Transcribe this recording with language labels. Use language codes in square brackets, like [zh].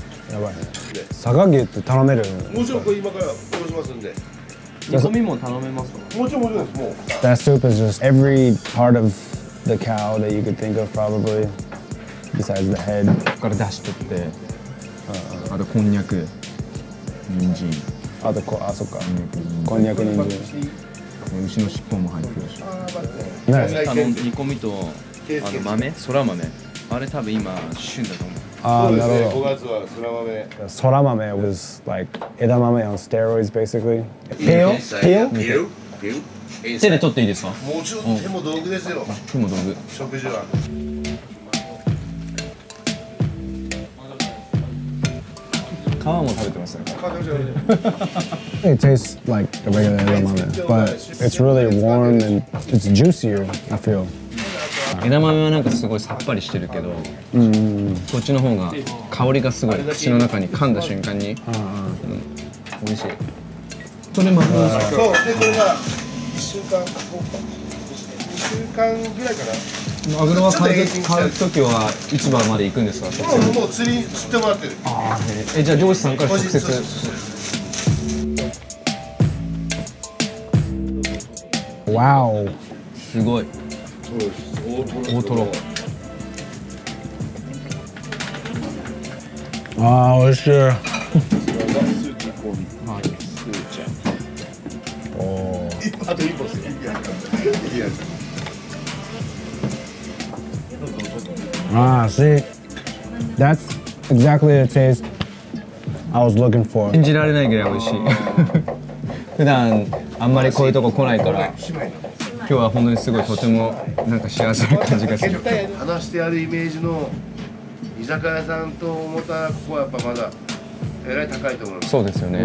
[ja] やばい、佐賀牛って頼めるもちろん、これ今からこうしますんで煮込みも頼めますか？もちろん、もちろんです、もう [en] That soup is just every part of the cow that you could think of probably besides the head [ja] ここから出しとって、あとこんにゃく、人参あとこ、あ、そっか、こんにゃく、人参牛の尻尾も入ってるし、ね、頼んで煮込みと、あの豆、そら豆あれ多分今、旬だと思うああ、なるほど。 5月はそら豆。 [en] そら豆 was like 枝豆 on steroids basically。ペヨ？ペヨ？ペヨ？ [ja] 手で取っていいですか？もちろん手も道具ですよ。手も道具。食事は。皮も食べてますね。 [en] It tastes like a regular 枝豆、but it's really warm and it's juicier I feel. [ja] 枝豆はなんかすごいさっぱりしてるけど、うん、こっちの方が香りがすごい口の中に噛んだ瞬間に、うん、美味しい。これまた、そう、でこれが1週間、ここか2週間ぐらいかな。マグロは買うときは市場まで行くんですか？もう釣り釣ってもらってる。あ、え、じゃあ漁師さんから直接。わお、すごい。大トロ。あー、美味しい。あと一本ですね。あー、see? [en] That's exactly the taste I was looking for. [ja] 信じられないぐらい美味しい。普段あんまりこういうとこ来ないから。今日は本当にすごい、とてもなんか幸せな感じがする。話してあるイメージの居酒屋さんと思ったら、ここはやっぱまだえらい高いと思う。そうですよね。